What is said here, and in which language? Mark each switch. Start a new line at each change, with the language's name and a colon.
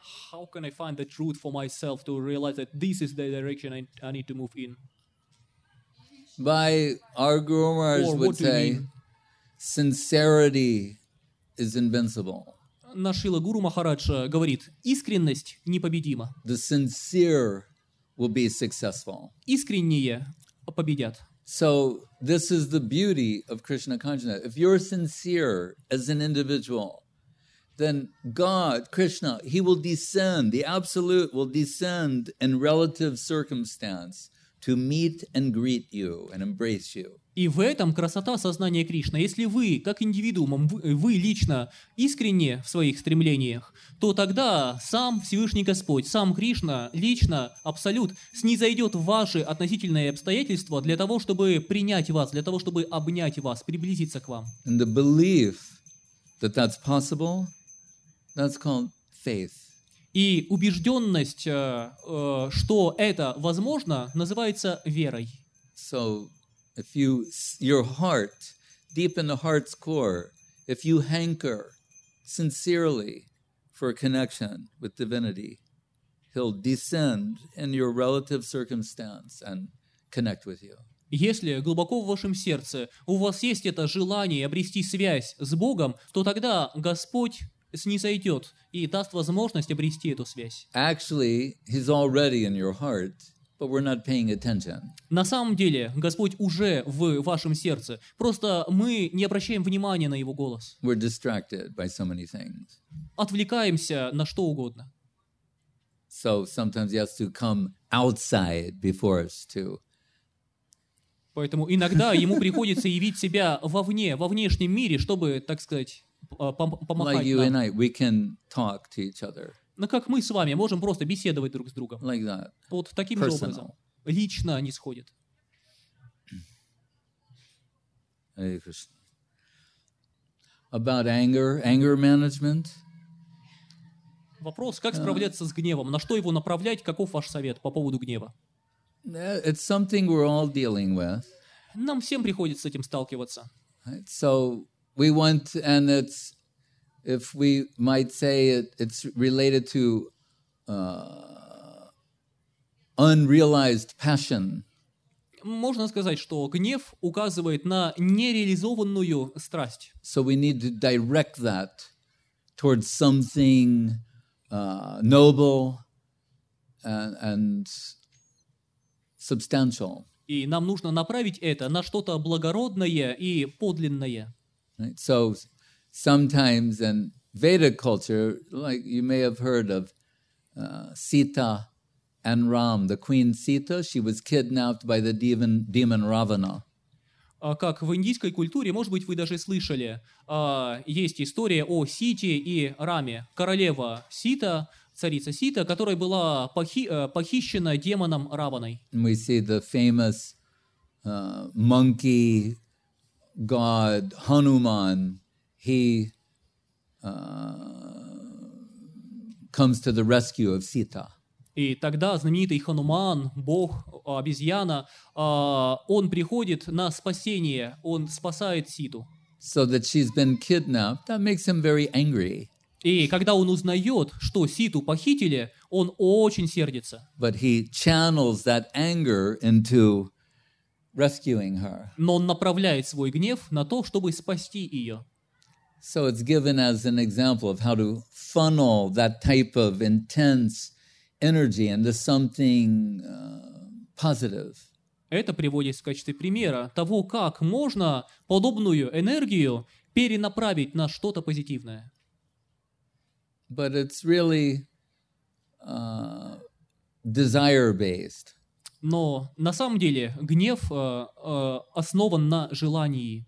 English: How can I find the truth for myself to realize that this is the direction I need to move in? By our Guru Maharaj would say, sincerity is invincible.
Russian: Наш Шрила Гуру Махарадж говорит, искренность непобедима.
English: The sincere will be successful.
Russian: Искренние победят.
English: So this is the beauty of Krishna consciousness. If you're sincere as an individual, then God, Krishna, he will descend, the Absolute will descend in relative circumstance to meet and greet you and embrace you.
Russian: И в этом красота сознания Кришны. Если вы, как индивидуум, вы лично искренне в своих стремлениях, то тогда сам Всевышний Господь, сам Кришна, лично, Абсолют, снизойдет в ваши относительные обстоятельства для того, чтобы принять вас, для того, чтобы обнять вас, приблизиться к вам.
English: And the belief that that's possible, that's called faith.
Russian: И убежденность, что это возможно, называется верой.
English: So, if you, your heart, deep in the heart's core, if you hanker sincerely for a connection with divinity, he'll descend in your relative circumstance and connect with you.
Russian: Если глубоко в вашем сердце у вас есть это желание обрести связь с Богом, то тогда Господь снизойдет и даст возможность обрести эту связь.
English: Actually, he's already in your heart, but we're not paying attention.
Russian: На самом деле, Господь уже в вашем сердце. Просто мы не обращаем внимания на его голос.
English: We're distracted by so many things.
Russian: Отвлекаемся на что угодно.
English: So sometimes he has to come outside before us to.
Russian: Поэтому иногда ему приходится явить себя вовне, во внешнем мире, чтобы, так сказать, помахать
English: like you
Russian: нам.
English: And I, we can talk to each other.
Russian: Ну, как мы с вами можем просто беседовать друг с другом.
English: Like that.
Russian: Вот таким
English: Personal.
Russian: Же образом. Лично не сходит.
English: About anger management.
Russian: Вопрос, как справляться с гневом? На что его направлять? Каков ваш совет по поводу гнева?
English: It's something we're all dealing with.
Russian: Нам всем приходится с этим сталкиваться.
English: Right? So, we want, and it's if we might say it's related to unrealized passion.
Russian: Можно сказать, что гнев указывает на нереализованную страсть.
English: So we need to direct that towards something noble and substantial.
Russian: И нам нужно направить это на что-то благородное и подлинное.
English: Right. So sometimes in Vedic culture, like you may have heard of Sita and Ram, the queen Sita, she was kidnapped by the demon Ravana.
Russian: Как в индийской культуре, может быть, вы даже слышали, есть история о Сите и Раме, королева Сита, царица Сита, которая была похищена демоном Раваной.
English: We see the famous monkey god Hanuman. He comes to the rescue of Sita.
Russian: И тогда знаменитый Хануман, бог обезьяна, он приходит на спасение, он спасает Ситу.
English: So that she's been kidnapped, that makes him very angry.
Russian: И когда он узнает, что Ситу похитили, он очень сердится.
English: But he channels that anger into rescuing her.
Russian: Но он направляет свой гнев на то, чтобы спасти ее.
English: So it's given as an example of how to funnel that type of intense energy into something positive.
Russian: Это приводится в качестве примера того, как можно подобную энергию перенаправить на что-то позитивное.
English: But it's really desire-based.
Russian: Но на самом деле гнев основан на желании.